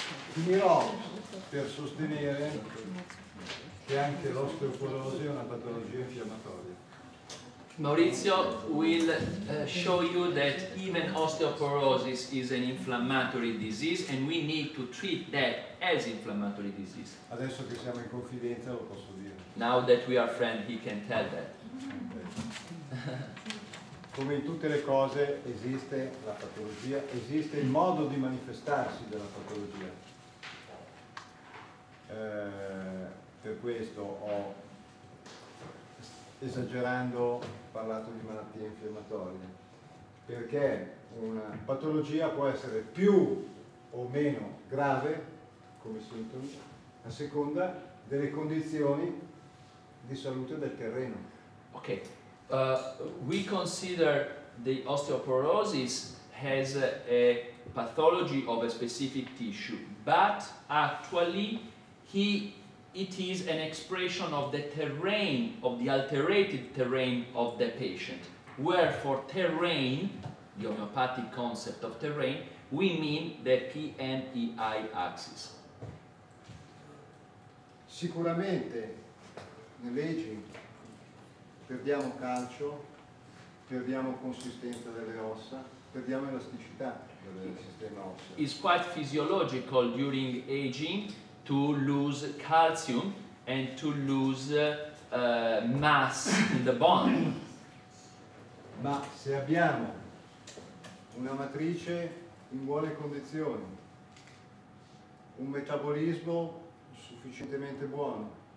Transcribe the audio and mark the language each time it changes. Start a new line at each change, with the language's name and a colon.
Italian: Finirò per sostenere che anche l'osteoporosi è una patologia infiammatoria.
English: Maurizio will show you that even osteoporosis is an inflammatory disease and we need to treat that as inflammatory disease.
Italian: Adesso che siamo in confidenza lo posso dire.
English: Now that we are friends, he can tell that.
Italian: Come in tutte le cose esiste la patologia, esiste il modo di manifestarsi della patologia. Per questo ho esagerando parlato di malattie infiammatorie, perché una patologia può essere più o meno grave come sintomi a seconda delle condizioni di salute del terreno.
English: Ok, we consider the osteoporosis as a pathology of a specific tissue, but actually it is an expression of the terrain, of the alterated terrain of the patient, where for terrain, the homeopathic concept of terrain, we mean the PMEI axis.
Italian: Sicuramente nell'aging perdiamo calcio, perdiamo consistenza delle ossa, perdiamo elasticità.
English: It's quite physiological during aging to lose calcium and to lose mass in the bone.
Italian: Ma se abbiamo una matrice in buone condizioni, un metabolismo sufficientemente buono,